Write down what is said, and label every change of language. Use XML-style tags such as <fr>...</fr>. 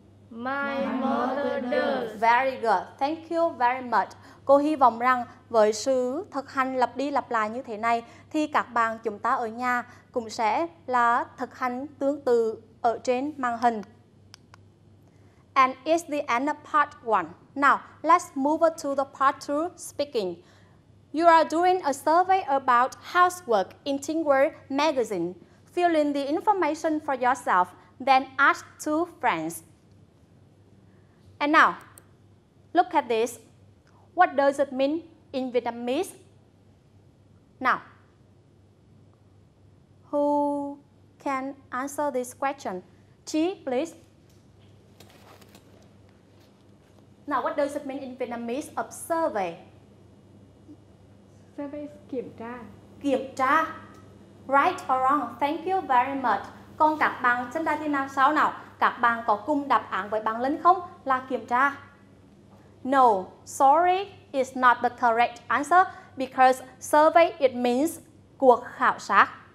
<en>My mother does. Very good. Thank you very much.</en> <vi>Cô hy vọng rằng với sự thực hành lặp đi lặp lại như thế này thì các bạn chúng ta ở nhà cũng sẽ là thực hành tương tự ở trên màn hình.</vi> <en>And it's the end of part one. Now, let's move to the part two, speaking. You are doing a survey about housework in Tingwer magazine. Fill in the information for yourself, then ask two friends. And now, look at this. What does it mean in Vietnamese? Now, who can answer this question? Chi, please. Now, what does it mean in Vietnamese of survey? Survey is kiểm tra. Kiểm tra. Right or wrong? Thank you very much.</en> <vi>Còn các bạn trên đài thi năng 6 nào? Các bạn có cùng đáp án với bạn Linh không? Là kiểm tra.</vi> <en>No, sorry, it's not the correct answer because survey, it means cuộc khảo sát.</en>